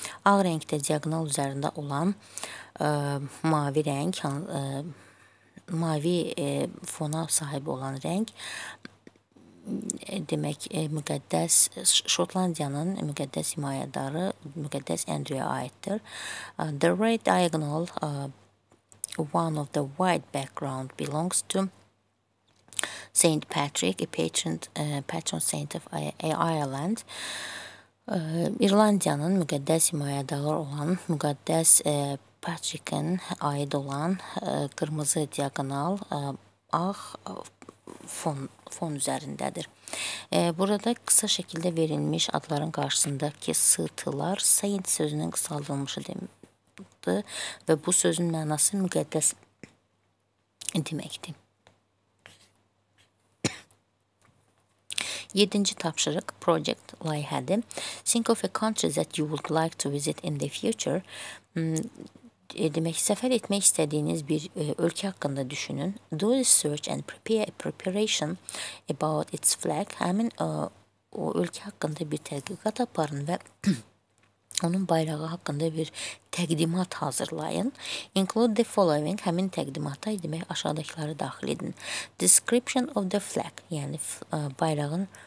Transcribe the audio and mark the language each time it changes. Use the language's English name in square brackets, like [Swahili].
[Azerbaijani] Ağ renkdə diagonal üzərində olan mavi renk, mavi fona sahib olan renk. Demek müqəddəs Şotlandiyanın müqəddəs himayədarı müqəddəs Andrew'a aiddir. [English] The red diagonal one of the white background belongs to Saint Patrick, a patron saint of Ireland. [Azerbaijani] İrlandiyanın müqəddəs himayədarı olan müqəddəs Patrick'in aid olan kırmızı diagonal ağ fon üzərindədir. Burada kısa şəkildə verilmiş adların qarşısındakı sıtılar saint sözünün qısaldılmışı deməkdir və bu sözün mənası müqəddəs deməkdir. 7-ci tapşırıq project layihədir. [English] Think of a country that you would like to visit in the future. [Azerbaijani] Demək, səfər etmək istədiyiniz bir ölkə haqqında düşünün. [English] Do a search and prepare a preparation about its flag. [Azerbaijani] Həmin o ölkə haqqında bir tədqiqat aparın və onun bayrağı haqqında bir təqdimat hazırlayın. [English] Include the following. [Azerbaijani] Həmin təqdimata, demək, aşağıdakıları daxil edin. [English] Description of the flag, [Azerbaijani] yəni bayrağın